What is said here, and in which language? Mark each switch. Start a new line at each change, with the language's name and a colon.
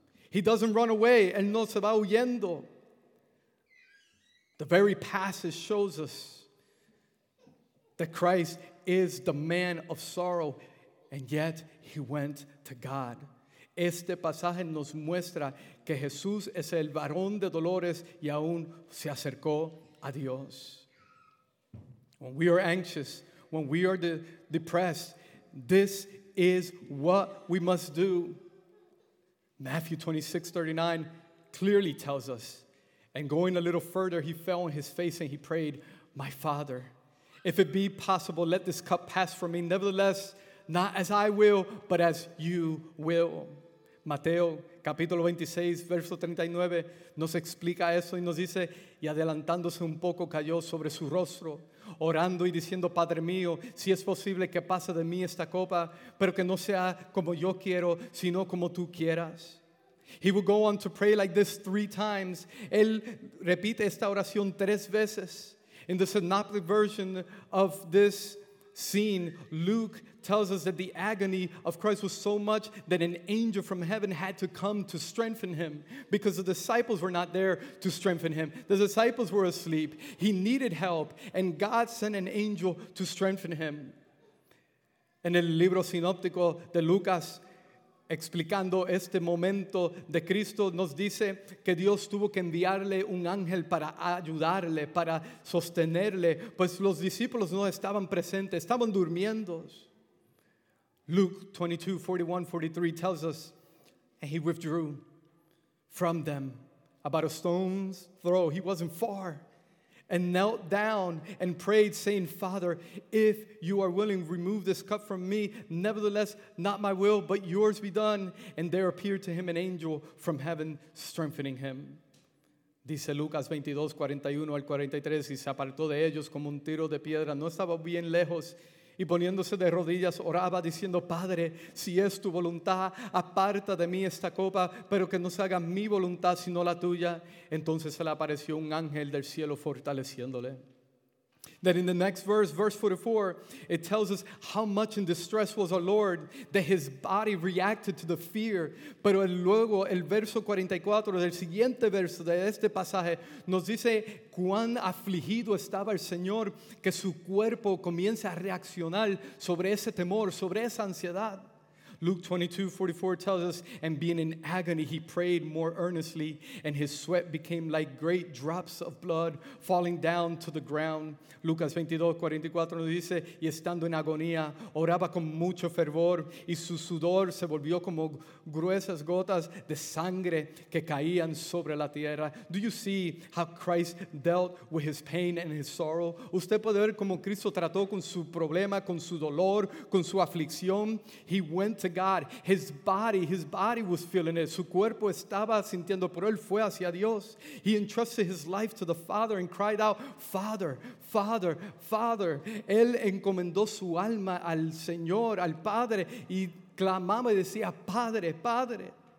English: He doesn't run away.
Spanish: Él no se va huyendo.
English: The very passage shows us that Christ is the man of sorrow, and yet he went to God.
Spanish: Este pasaje nos muestra que Jesús es el varón de dolores y aún se acercó a Dios.
English: When we are anxious, when we are depressed, this is what we must do. Matthew 26, 39 clearly tells us. And going a little further, he fell on his face and he prayed, "My Father, if it be possible, let this cup pass from me. Nevertheless, not as I will, but as you will."
Spanish: Mateo, capítulo 26, verso 39, nos explica eso y nos dice, y adelantándose un poco, cayó sobre su rostro, orando y diciendo, "Padre mío, si es posible que pase de mí esta copa, pero que no sea como yo quiero, sino como tú quieras."
English: He would go on to pray like this three times.
Spanish: Él repite esta oración tres veces.
English: In the synoptic version of this scene, Luke tells us that the agony of Christ was so much that an angel from heaven had to come to strengthen him because the disciples were not there to strengthen him. The disciples were asleep. He needed help, and God sent an angel to strengthen him.
Spanish: En el libro sinóptico de Lucas, explicando este momento de Cristo, nos dice que Dios tuvo que enviarle un ángel para ayudarle, para sostenerle, pues los discípulos no estaban presentes, estaban durmiendo.
English: Luke 22, 41, 43 tells us, "And he withdrew from them about a stone's throw," he wasn't far, "and knelt down and prayed, saying, 'Father, if you are willing, remove this cup from me. Nevertheless, not my will, but yours be done.' And there appeared to him an angel from heaven, strengthening him."
Spanish: Dice Lucas 22, 41 al 43, "Y se apartó de ellos como un tiro de piedra. No estaba bien lejos. Y poniéndose de rodillas, oraba diciendo, 'Padre, si es tu voluntad, aparta de mí esta copa, pero que no se haga mi voluntad, sino la tuya.' Entonces se le apareció un ángel del cielo fortaleciéndole."
English: Then in the next verse, verse 44, it tells us how much in distress was our Lord, that his body reacted to the fear.
Spanish: Pero luego el verso 44 del siguiente verso de este pasaje nos dice cuán afligido estaba el Señor, que su cuerpo comienza a reaccionar sobre ese temor, sobre esa ansiedad.
English: Luke 22, 44 tells us, "And being in agony, he prayed more earnestly, and his sweat became like great drops of blood falling down to the ground."
Spanish: Lucas 22, 44 nos dice, "Y estando en agonía, oraba con mucho fervor, y su sudor se volvió como gruesas gotas de sangre que caían sobre la tierra."
English: Do you see how Christ dealt with his pain and his sorrow?
Spanish: Usted puede ver cómo Cristo trató con su problema, con su dolor, con su aflicción.
English: He went to God. His body was feeling it.
Spanish: Su cuerpo estaba sintiendo, pero él fue hacia Dios.
English: He entrusted his life to the Father and cried out, "Father, Father, Father."
Spanish: Él encomendó su alma al Señor, al Padre, y clamaba y decía, "Padre, Padre."